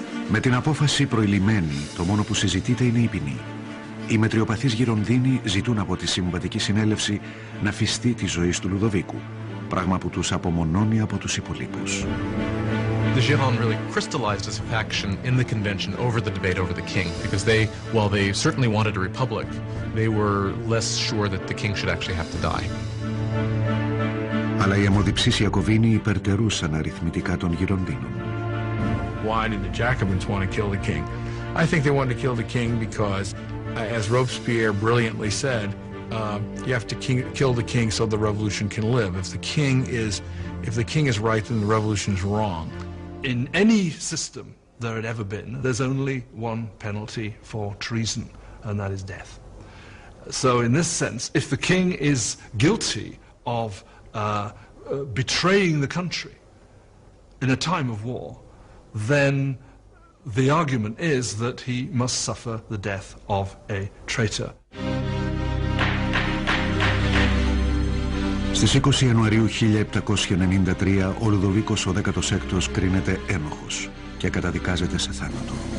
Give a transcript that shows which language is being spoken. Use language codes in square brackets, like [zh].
[el] Με την απόφαση προηλυμένη, το μόνο που συζητείται είναι η ποινή. Οι μετριοπαθείς Γυρονδίνοι ζητούν από τη Συμβατική Συνέλευση να φυστεί τη ζωή του Λουδοβίκου, πράγμα που τους απομονώνει από τους υπολείπους. [en] The Giron really crystallized as a faction in the convention over the debate over the king, because they, while they certainly wanted a republic, they were less sure that the king should actually have to die. [el] Αλλά οι αιμοδιψείς Ιακωβίνοι υπερτερούσαν αριθμητικά των Γυροντίνων. [en] Why did the Jacobins want to kill the king? I think they wanted to kill the king because, as Robespierre brilliantly said, you have to kill the king so the revolution can live. If the king is right, then the revolution is wrong. In any system there had ever been, there's only one penalty for treason, and that is death. So in this sense, if the king is guilty of betraying the country in a time of war, then the argument is that he must suffer the death of a traitor. [el] Στις 20 Ιανουαρίου 1793 ο Λουδοβίκος ο 16ος κρίνεται ένοχος και καταδικάζεται σε θάνατο.